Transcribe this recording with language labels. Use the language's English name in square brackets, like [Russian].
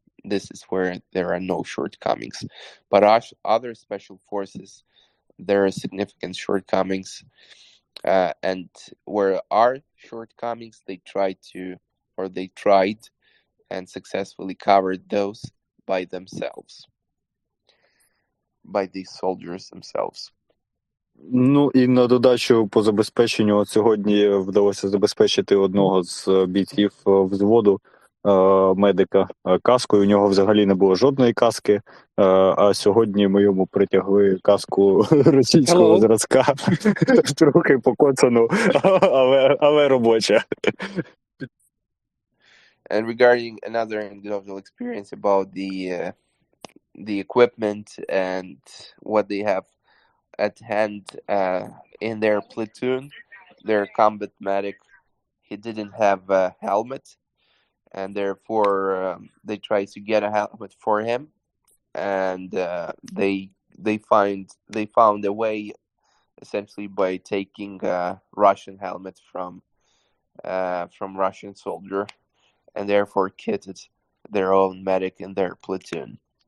[English] This is where there are no shortcomings. But other special forces, there are significant shortcomings. And where are shortcomings, they tried and successfully covered those by themselves, by the soldiers themselves. [Ukrainian] Ну і на додачу по забезпеченню, от сьогодні вдалося забезпечити одного з бійців взводу медика каскою. У нього взагалі не було жодної каски, а сьогодні ми йому притягли каску російського зразка, трохи покоцану, але робоча. [English] And regarding another individual experience about the equipment and what they have at hand in their platoon, their combat medic, he didn't have a helmet, and therefore they tried to get a helmet for him, and they found a way, essentially by taking a Russian helmet from Russian soldier, and therefore kitted their own medic in their platoon.